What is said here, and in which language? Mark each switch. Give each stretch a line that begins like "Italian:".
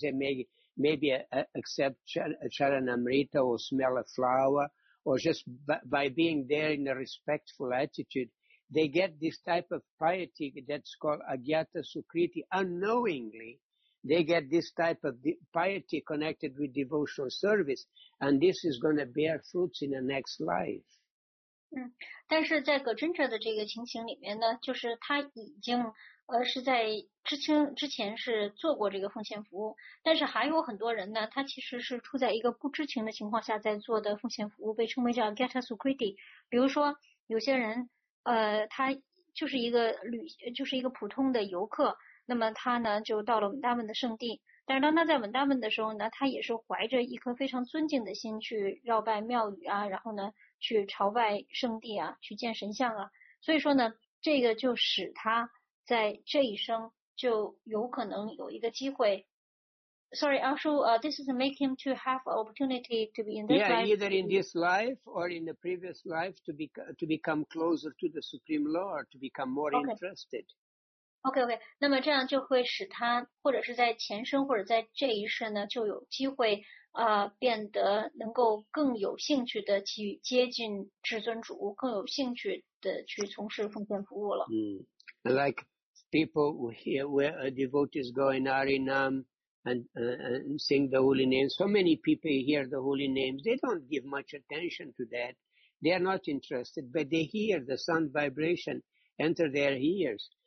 English: They may maybe accept Charanamrita or smell a flower or just by being there in a respectful attitude, they get this type of piety that's called Agyata Sukriti. Unknowingly, they get this type of piety connected with devotional service and this is going to bear fruits in the next life.
Chinese: 但是在葛真哲的这个情形里面呢，就是他已经是在之前是做过这个奉献服务，但是还有很多人呢，他其实是处在一个不知情的情况下在做的奉献服务，被称为叫 Agyata Sukriti。比如说有些人他就是一个普通的游客，那么他呢就到了文达文的圣地，但是当他在文达文的时候呢，他也是怀着一颗非常尊敬的心去绕拜庙宇啊，然后呢。去朝拜圣地啊，去见神像啊，所以说呢，这个就使他在这一生就有可能有一个机会。
English: Sorry, also, this is make him to have opportunity to be in this life. Yeah, either in this life or in the previous life to become closer to the Supreme Lord, to become more interested. Okay.
Chinese: 那么这样就会使他或者是在前生或者在这一世呢，就有机会。变得能够更有兴趣的去接近至尊主，更有兴趣的去从事奉献服务了。
English: Like people where a devotee is going Arinam and sing the holy name. So many people hear the holy names. They don't give much attention to that. They are not interested, but they hear the sound vibration enter their ears.